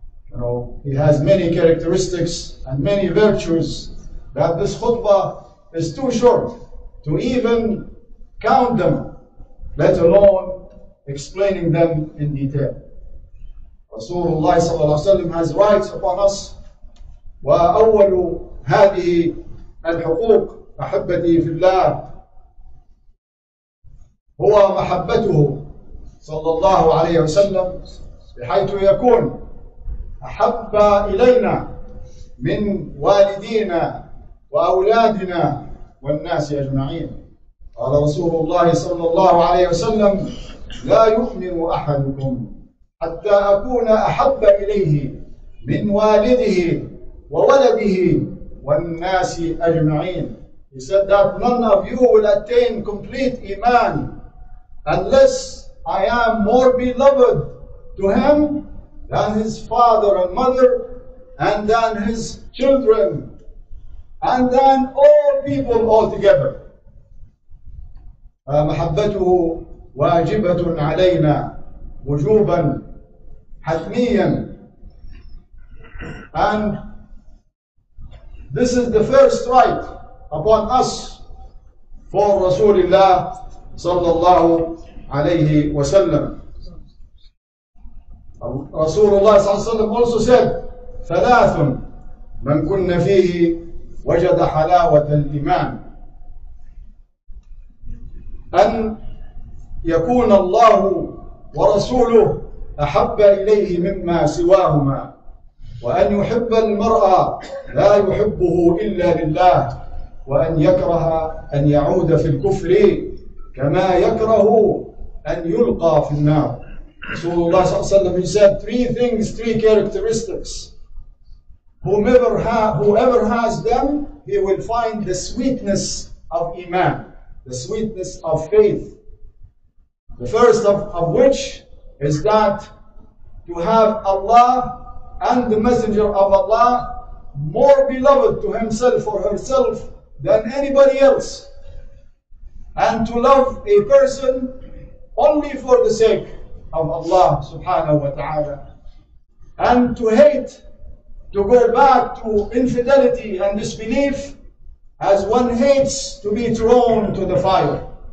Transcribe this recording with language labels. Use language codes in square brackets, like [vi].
[en] You know, he has many characteristics and many virtues that this khutbah is too short to even count them, let alone explaining them in detail. Rasulullah sallallahu alayhi wa sallam has rights upon us. [ar] وأول هذه الحقوق أحبتي في الله هو محبته صلى الله عليه وسلم بحيث يكون أحب إلينا من والدينا وأولادنا والناس أجمعين. قال رسول الله صلى الله عليه وسلم لا يؤمن أحدكم حتى أكون أحب إليه من والده وولده والناس أجمعين. [en] He said that none of you will attain complete Iman unless I am more beloved to him than his father and mother and than his children and than all people altogether. [ar] محبته واجبة علينا وجوبا حتميا. [en] And this is the first right upon us for [ar] رسول الله صلى الله عليه وسلم. رسول الله صلى الله عليه وسلم [en] also said [ar] ثلاث من كنا فيه وجد حلاوة الإيمان: أن يكون الله ورسوله أحب إليه مما سواهما، وأن يحب المرأة لا يحبه إلا لله، وأن يكره أن يعود في الكفر كما يكره أن يلقى في النار. رسول الله صلى الله عليه وسلم [en] said three things, three characteristics. Whoever has them, he will find the sweetness of Iman, the sweetness of faith. The first of which is that to have Allah and the Messenger of Allah more beloved to himself or herself than anybody else, and to love a person only for the sake of Allah subhanahu wa ta'ala, and to hate, to go back to infidelity and disbelief as one hates to be thrown to the fire.